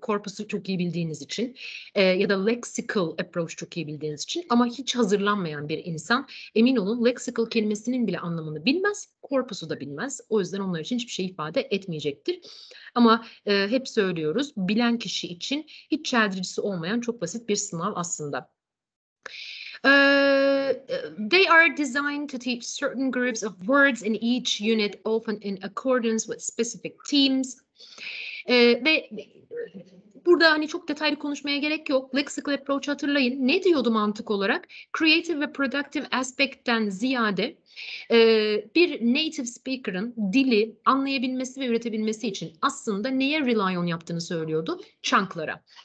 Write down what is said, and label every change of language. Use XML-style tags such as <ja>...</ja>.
<tr>Corpus'u çok iyi bildiğiniz için ya da lexical approach çok iyi bildiğiniz için. Ama hiç hazırlanmayan bir insan emin olun lexical kelimesinin bile anlamını bilmez. Corpus'u da bilmez. O yüzden onlar için hiçbir şey ifade etmeyecektir. Ama hep söylüyoruz bilen kişi için hiç çeldiricisi olmayan çok basit bir sınav aslında.</tr> <en>They are designed to teach certain groups of words in each unit, often in accordance with specific themes.</en> <tr>Ve burada hani çok detaylı konuşmaya gerek yok. Lexical approach hatırlayın. Ne diyordu mantık olarak? Creative ve productive aspect'ten ziyade bir native speaker'ın dili anlayabilmesi ve üretebilmesi için aslında neye rely on yaptığını söylüyordu? Chunk'lara.</tr>